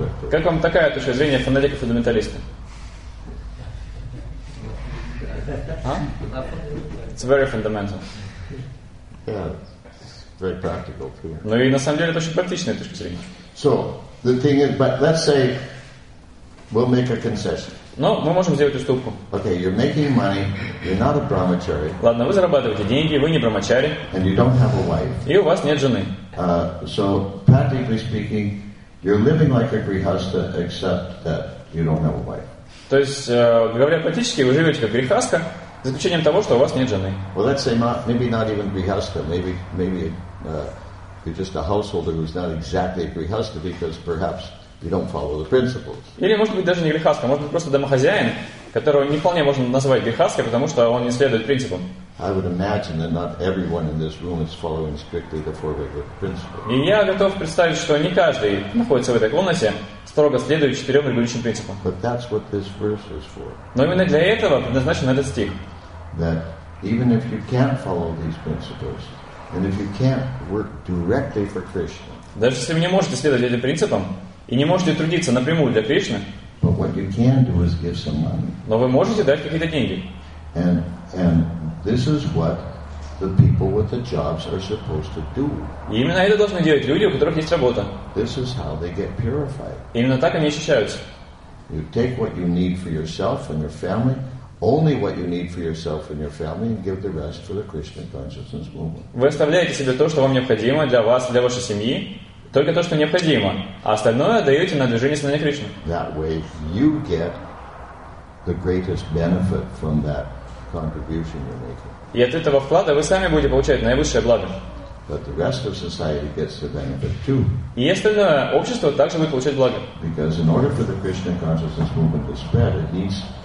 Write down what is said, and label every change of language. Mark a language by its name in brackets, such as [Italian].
[Russian] Как вам такая точка зрения фанатика-фундаменталиста? [English] It's very fundamental. Yeah, very practical too. [Russian] Но и на самом деле это очень практичная точка зрения. [English] So the thing is, but let's say we'll make a concession. [Russian] Но мы можем сделать уступку. [English] Okay, you're making money, you're not a brahmachari. [Russian] Ладно, вы зарабатываете деньги, вы не брамачари. [English] And you don't have a wife. [Russian] И у вас нет жены. [English] So practically speaking, you're living like a grihastha, except that you don't have a wife. [Russian] То есть, говоря практически, вы живете как грихастха, за исключением того, что у вас нет жены. [English] Well, let's say maybe not even grihastha, maybe you're just a householder who's not exactly a grihastha because perhaps you don't follow the principles. [Russian] Или может быть даже не грехаска, может быть просто домохозяин, которого не вполне можно назвать грехаской, потому что он не следует принципам. [English] I would imagine that not everyone in this room is following strictly the four regular principles. [Russian] И я готов представить, что не каждый находится в этой комнате, строго следует четырем регулирующим принципам. [English] But that's what this verse is for. [Russian] Но именно для этого предназначен этот стих. [English] That even if you can't follow these principles, And if you can't work directly for Krishna, [Russian] даже если вы не можете следовать этим принципам и не можете трудиться напрямую для Кришны, [English] but what you can do is give some money. [Russian] Но вы можете дать какие-то деньги. [English] And this is what the people with the jobs are supposed to do. [Russian] И именно это должны делать люди, у которых есть работа. [English] This is how they get purified. [Russian] И именно так они очищаются. [English] You take what you need for yourself and your family. Only what you need for yourself and your family, and give the rest for the Krishna consciousness movement. [Russian] Вы оставляете себе то, что вам необходимо для вас, для вашей семьи, только то, что необходимо, а остальное даете на движение сознания Кришны. [English] That way, you get the greatest benefit from that contribution you're making. [Russian] И от этого вклада вы сами будете получать наивысшее благо. [English] But the rest of society gets the benefit too. [Russian] И остальное общество также будет получать благо. [English] Because in order for the Krishna consciousness movement to spread, it needs